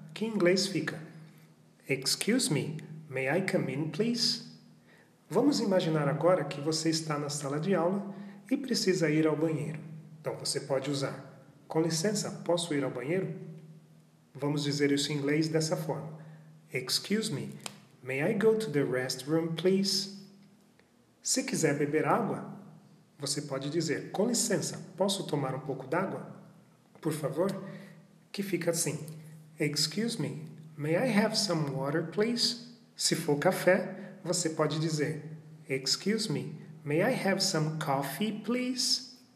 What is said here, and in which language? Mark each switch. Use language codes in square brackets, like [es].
[pt] Que em inglês fica [en] excuse me, may I come in please? [pt] Vamos imaginar agora que você está na sala de aula e precisa ir ao banheiro. Então você pode usar com licença, posso ir ao banheiro? Vamos dizer isso em inglês dessa forma. [en] Excuse me, may I go to the restroom, please? [pt] Se quiser beber água, você pode dizer, com licença, posso tomar um pouco d'água? Por favor, que fica assim. [en] Excuse me, may I have some water, please? [pt] Se for café, você pode dizer, [en] excuse me, may I have some coffee, please?